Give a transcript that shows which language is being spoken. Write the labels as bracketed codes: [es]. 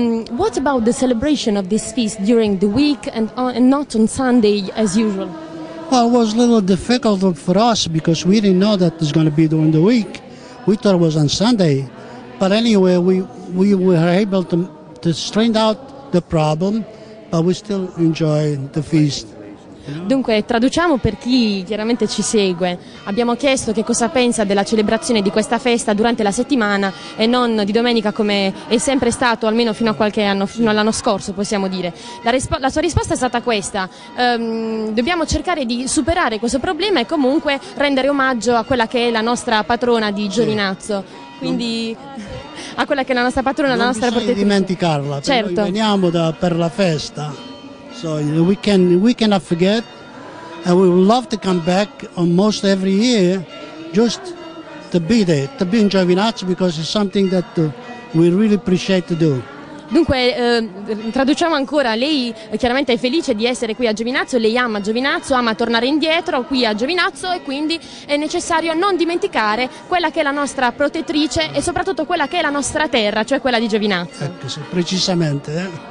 [en] What about the celebration of this feast during the week and not on Sunday as usual? Well, it was a little difficult for us because we didn't know that it was going to be during the week. We thought it was on Sunday. But anyway, we were able to straighten out the problem, but we still enjoy the feast. [it] Dunque, traduciamo per chi chiaramente ci segue. Abbiamo chiesto che cosa pensa della celebrazione di questa festa durante la settimana e non di domenica come è sempre stato, almeno fino a qualche anno, fino all'anno scorso, possiamo dire. La sua risposta è stata questa. Dobbiamo cercare di superare questo problema e comunque rendere omaggio a quella che è la nostra patrona di Giovinazzo. Quindi a quella che è la nostra patrona, la nostra protettrice. Non bisogna dimenticarla, certo. Noi veniamo per la festa. [en] So we cannot forget, and we would love to come back almost every year, just to be there, to be in Giovinazzo, because it's something that we really appreciate to do. [it] Dunque, traduciamo ancora, lei chiaramente è felice di essere qui a Giovinazzo, lei ama Giovinazzo, ama tornare indietro qui a Giovinazzo e quindi è necessario non dimenticare quella che è la nostra protettrice e soprattutto quella che è la nostra terra, cioè quella di Giovinazzo. Ecco, sì, precisamente.